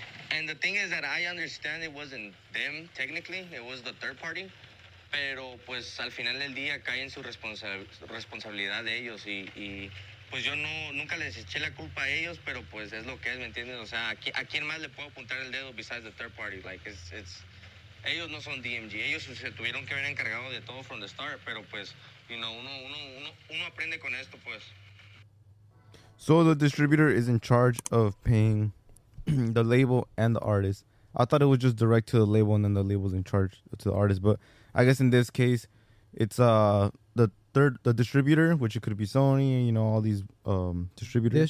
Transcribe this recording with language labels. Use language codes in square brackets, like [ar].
[en] And the thing is that I understand it wasn't them, technically. It was the third party. [es] Pero, pues, al final del día cae en su responsabilidad de ellos. Y pues, yo nunca les eché la culpa a ellos, pero, pues, es lo que es, ¿me entiendes? O sea, ¿a quién más le puedo apuntar el dedo [en] besides the third party? Like, it's [es] ellos no son DMG. Ellos se tuvieron que haber encargado de todo [en] from the start. [es] Pero, pues, [en] you know, [es] uno aprende con esto, pues. [en] So, the distributor is in charge of paying the label and the artist. I thought it was just direct to the label and then the label's in charge to the artist. But I guess in this case, it's the distributor, which it could be Sony, you know, all these distributors.